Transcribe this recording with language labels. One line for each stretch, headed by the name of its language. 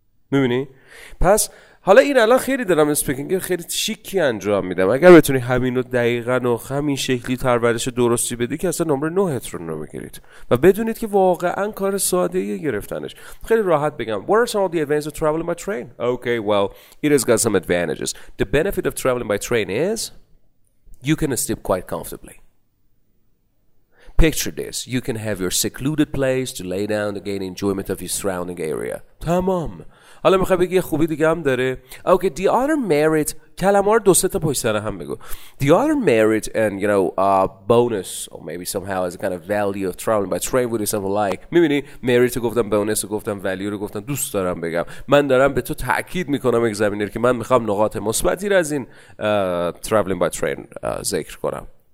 Persian: میبینی؟ پس حالا این الان خیلی دارم اسپیکینگ خیلی شیکی انجام میدم، اگر بتونی همین رو دقیقاً و همین شکلی ترورش درستی بدی که اصلا نمره 9ت رو نمیگیرید و بدونید که واقعاً کار ساده‌ای گرفتنش. خیلی راحت بگم
English: What are some of the advantages of traveling by train? Okay, well, it has got some advantages. The benefit of traveling by train is you can sleep quite comfortably. Picture this. You can have your secluded place to lay down to gain enjoyment of your surrounding area.
Persian: تمام. حالا میخوای بگی یه خوبی دیگه هم داره.
English: Okay, the other merit،
Persian: کلمه رو دو سه تا پشت سر هم بگو.
English: The other merit and you know bonus or maybe somehow as a kind of value of traveling by train would be something like،
Persian: میبینی merit رو گفتم، bonus رو گفتم، value رو گفتم. دوست دارم بگم من دارم به تو تاکید میکنم اگزامینر که من میخوام نقاط مثبتی رو از این traveling by train ذکر کنم.